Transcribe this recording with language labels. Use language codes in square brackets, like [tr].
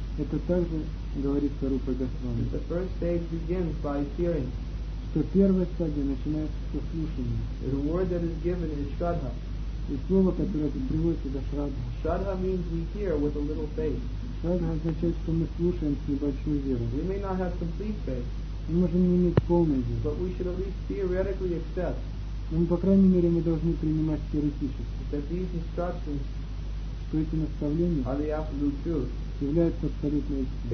[ru] Это также говорится Рупа Госвами, что первая стадия начинается с послушания. И слово, которое приводится до Шрадха. [en] Шрадха means we hear with a little faith. [ru] Шрадха означает, что мы слушаем с небольшой верой. [en] We may not have complete faith. [ru] Мы можем не иметь полной веры. [en] But we should at least theoretically accept. [ru] Но, по крайней мере, мы должны принимать теоретически. [en] That these instructions, [ru] что эти наставления являются абсолютной